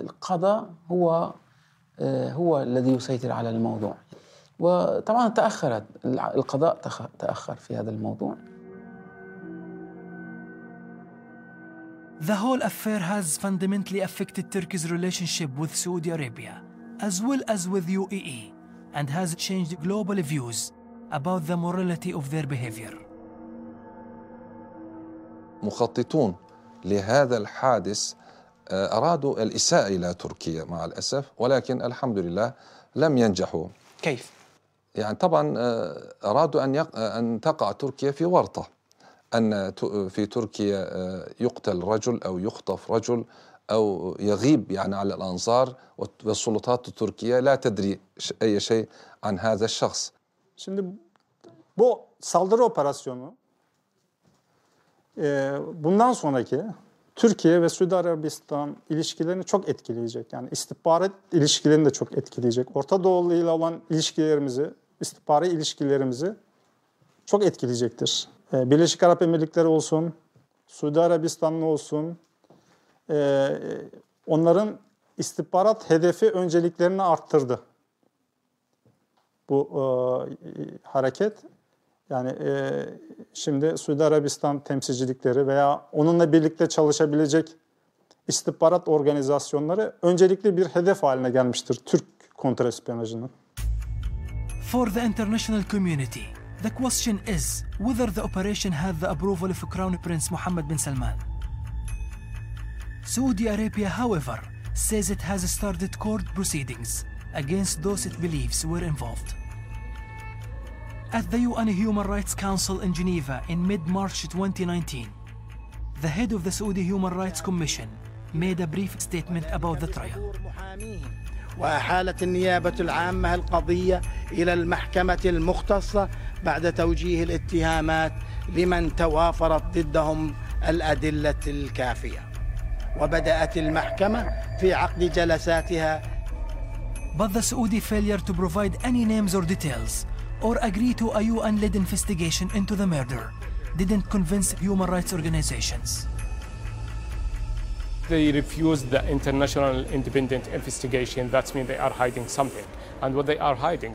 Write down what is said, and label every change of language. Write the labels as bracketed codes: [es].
[ar] القضاء هو الذي يسيطر على الموضوع، وطبعا تأخرت القضاء تأخر في هذا الموضوع. [en] The whole affair has fundamentally affected Turkey's relationship with Saudi Arabia as well as with UAE and has changed global views about the morality of their behavior. [ar] مخططون لهذا الحادث أرادوا الإساءة إلى تركيا مع الأسف، ولكن الحمد لله لم ينجحوا. كيف؟ يعني طبعا أرادوا أن تقع تركيا في ورطة، أن في تركيا يقتل رجل أو يخطف رجل أو يغيب يعني على الأنظار، والسلطات التركية لا تدري أي شيء عن هذا الشخص. [tr] Şimdi bu saldırı operasyonu Bundan sonraki Türkiye ve Suudi Arabistan ilişkilerini çok etkileyecek. Yani istihbarat ilişkilerini de çok etkileyecek. Orta Doğu ile olan ilişkilerimizi, istihbari ilişkilerimizi çok etkileyecektir. Birleşik Arap Emirlikleri olsun, Suudi Arabistan'la olsun, onların istihbarat hedefi önceliklerini arttırdı. Bu hareket. Yani şimdi Suudi Arabistan temsilcilikleri veya onunla birlikte çalışabilecek istihbarat organizasyonları öncelikli bir hedef haline gelmiştir Türk kontrespiyonajının. [en] For the international community, the question is whether the operation had the approval of Crown Prince Mohammed bin Salman. Saudi Arabia, however, says it has started court proceedings against those it believes were involved. At the UN Human Rights Council in Geneva in mid-March 2019, the head of the Saudi Human Rights Commission made a brief statement about the trial. [ar] وأحالت النيابة العامة القضية إلى المحكمة المختصة بعد توجيه الاتهامات لمن توافرت ضدهم الأدلة الكافية. وبدأت المحكمة في عقد جلساتها. [en] But the Saudi failure to provide any names or details or agree to a UN-led investigation into the murder didn't convince human rights organizations. They refused the international independent investigation. That means they are hiding something. And what they are hiding?